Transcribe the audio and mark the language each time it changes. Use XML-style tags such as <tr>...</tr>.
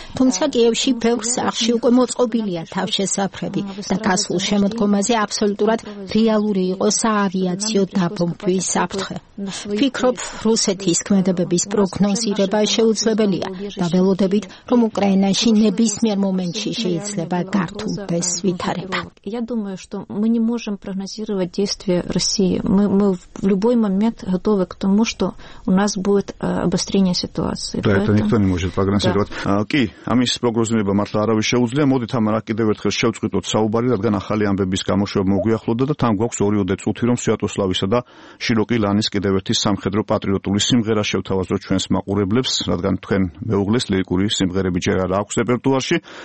<ka>თუმცა კიევში ბევრ სახლში უკვე მოწყობილია თავშესაფრები და გასულ შემოდგომაზე აბსოლუტურად რეალური იყო საავიაციო დაბომბვის საფრთხე. ფიქრობ, რუსეთის ქმედებების პროგნოზირება შეუძლებელია და ველოდებით, რომ უკრაინაში ნებისმიერ მომენტში შეიძლება გართულდეს ვითარება.</ka> <ru>Я думаю, что мы не можем прогнозировать действия России. Мы в любой момент готовы к тому, что у нас будет обострение ситуации. Да, это никто не может прогнозировать. Окей.</ru> <ka>ამის პროგნოზირება მართლა არავის შეუძლია. მოდით ამ არაკი კიდევ ერთხელ შევწყვიტოთ საუბარი, რადგან ახალი ამბების გამოშვება მოგვიახლოვდა და თან გვაქვს ორი ოდე წუთი, რომ სვიატოსლავისა და შიროკი ლანის კიდევ ერთი სამხედრო პატრიოტული სიმღერა შევთავაზოთ ჩვენს მაყურებლებს, რადგან თქვენ მეუღლეს ლირიკული სიმღერები ჯერ არ აქვს რეპერტუარში.</ka>